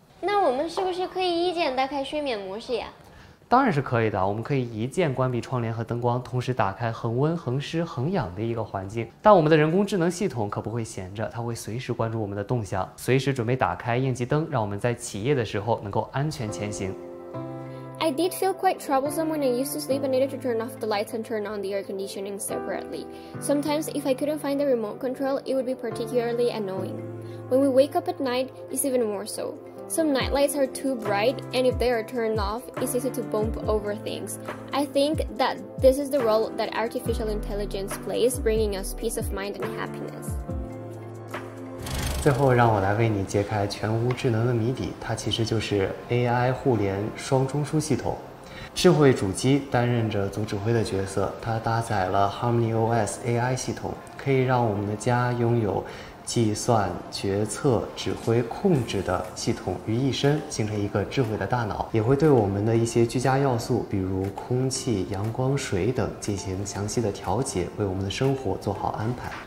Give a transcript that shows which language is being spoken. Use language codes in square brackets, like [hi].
[zh] 那我们是不是可以一键打开睡眠模式呀？当然是可以的，我们可以一键关闭窗帘和灯光，同时打开恒温、恒湿、恒氧的一个环境。但我们的人工智能系统可不会闲着，它会随时关注我们的动向，随时准备打开应急灯，让我们在起夜的时候能够安全前行。 [en] I did feel quite troublesome when I used to sleep and needed to turn off the lights and turn on the air conditioning separately. Sometimes, if I couldn't find the remote control, it would be particularly annoying. When we wake up at night, it's even more so. Some nightlights are too bright, and if they are turned off, it's easy to bump over things. I think that this is the role that artificial intelligence plays, bringing us peace of mind and happiness. [zh] 最后，让我来为你揭开全屋智能的谜底，它其实就是 AI 互联双中枢系统。智慧主机担任着总指挥的角色，它搭载了 Harmony OS AI 系统，可以让我们的家拥有计算、决策、指挥、控制的系统于一身，形成一个智慧的大脑，也会对我们的一些居家要素，比如空气、阳光、水等进行详细的调节，为我们的生活做好安排。